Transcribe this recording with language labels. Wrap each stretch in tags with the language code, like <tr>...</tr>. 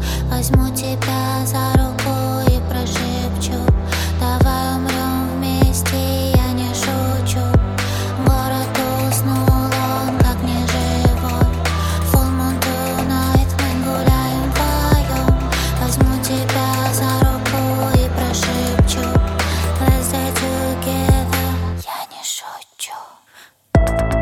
<ru>Возьму тебя за руку и прошепчу, давай умрем вместе, я не шучу. Город уснул, он как неживой.</ru> <en>Full moon tonight,</en> <ru>мы гуляем вдвоем. Возьму тебя за руку и прошепчу,</ru> <en>let's die together,</en> <ru>я не шучу.</ru>